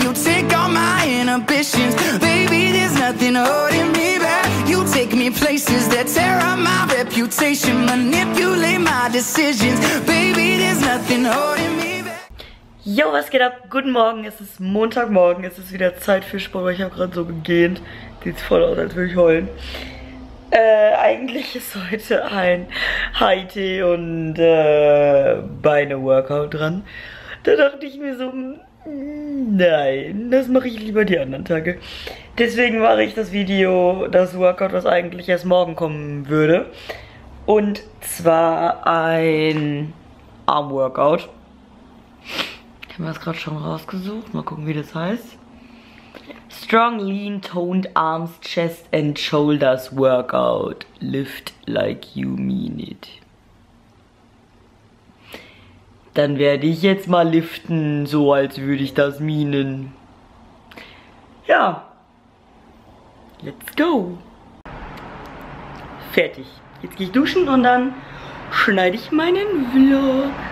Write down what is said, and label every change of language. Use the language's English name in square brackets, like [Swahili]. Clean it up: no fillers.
[English] You take all my inhibitions. Baby, there's nothing holding me back. You take me places that tear up my reputation. Manipulate my decisions. Baby, there's nothing holding me back. [German] Yo, was geht ab? Guten Morgen, es ist Montagmorgen. Es ist wieder Zeit für Sport. Ich habe gerade so gegähnt. Sieht voll aus, als würde ich heulen. Eigentlich ist heute ein High-Tee und Beine-Workout dran. Da dachte ich mir so, nein, das mache ich lieber die anderen Tage. Deswegen mache ich das Video, das Workout, was eigentlich erst morgen kommen würde. Und zwar ein Arm-Workout. Ich habe das gerade schon rausgesucht, mal gucken, wie das heißt. [English] Strong, lean, toned arms, chest and shoulders workout. Lift like you mean it. [German] Dann werde ich jetzt mal liften, so als würde ich das meinen. Ja. [English] Let's go. [German] Fertig. Jetzt gehe ich duschen und dann schneide ich meinen Vlog.